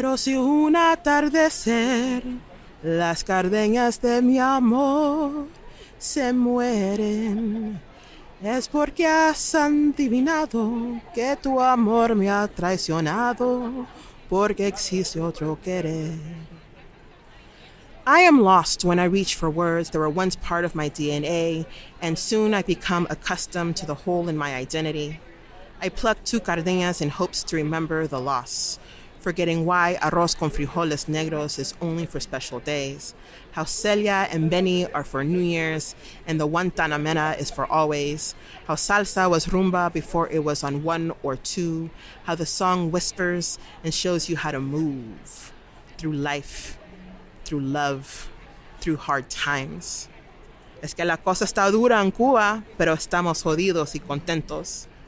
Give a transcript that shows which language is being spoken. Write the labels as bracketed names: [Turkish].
[Spanish] Pero si un atardecer las gardenias de mi amor se mueren, es porque has adivinado que tu amor me ha traicionado, porque existe otro querer. [English] I am lost when I reach for words that were once part of my DNA, and soon I become accustomed to the hole in my identity. I pluck two cardenas in hopes to remember the loss, forgetting why [Spanish] arroz con frijoles negros [English] is only for special days, how Celia and Benny are for New Year's, and the Guantanamera is for always, how salsa was rumba before it was on one or two, how the song whispers and shows you how to move through life, through love, through hard times. [Spanish] Es que la cosa está dura en Cuba, pero estamos jodidos y contentos.